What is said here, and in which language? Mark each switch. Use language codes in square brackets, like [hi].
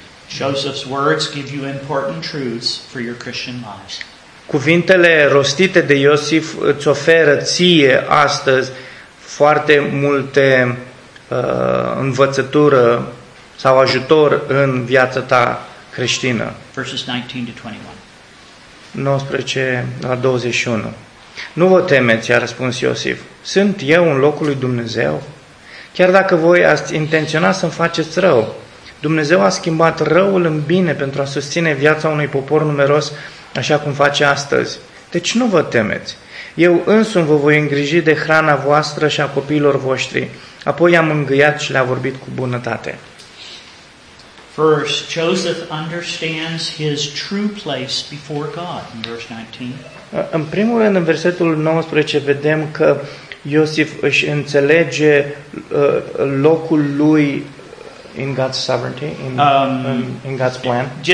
[en] Joseph's words give you important truths for your Christian lives. [ro] Cuvintele rostite de Iosif îți oferă ție astăzi foarte multe învățătură sau ajutor în viața ta creștină. [en] Verses 19 to 21. [ro] 19 la 21. Nu vă temeți, i-a răspuns Iosif. Sunt eu în locul lui Dumnezeu? Chiar dacă voi ați intenționat să-mi faceți rău, Dumnezeu a schimbat răul în bine pentru a susține viața unui popor numeros așa cum face astăzi. Deci nu vă temeți. Eu însumi vă voi îngriji de hrana voastră și a copiilor voștri. Apoi i-am îngâiat și le-a vorbit cu bunătate. [en] First, Joseph understands his true place before God in verse 19. [ro] În primul rând, în versetul 19 vedem că Iosif își înțelege locul lui [en] in God's sovereignty, in God's plan.